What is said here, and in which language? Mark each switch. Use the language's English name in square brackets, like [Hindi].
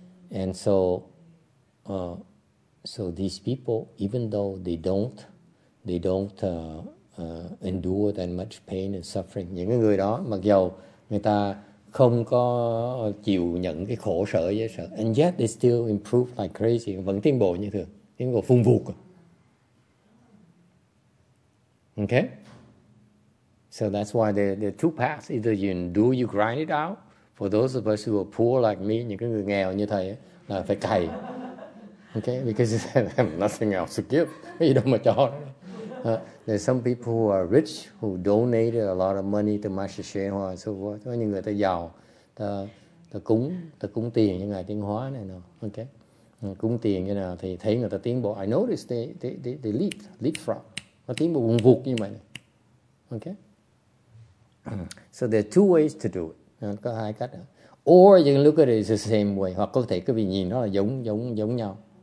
[English] And so so these people, even though they don't endure that much pain and suffering, [Vietnamese] những cái người đó mặc dù người ta không có chịu nhận cái khổ sở dễ sợ, [English] and yet they still improve like crazy, [Vietnamese] vẫn tiến bộ như thường, tiến bộ phung phục. [English] Okay. So that's why there are two paths. Either you endure, you grind it out. For those of us who are poor like me, [Vietnamese] những cái người nghèo như thầy, là phải cày. [English] Okay, because they have nothing else to give. You don't have a job. There's some people who are rich, who donated a lot of money to Master Shen Hoa and so forth. [Vietnamese] Có những người ta giàu, ta cúng tiền cho Ngài Tiên Hóa này. [English] No. Okay. [Vietnamese] Cúng tiền như nào thì thấy người ta tiến bộ. [English] I noticed they leapfrog. [Vietnamese] Nó tiến bộ vùng vụt như vậy. Này. Okay. [English] So there are two ways to do it. [Vietnamese] Có hai cách. Đó. [English] Or you can look at it the same way. [Vietnamese] Hoặc có thể quý vị nhìn nó là giống nhau.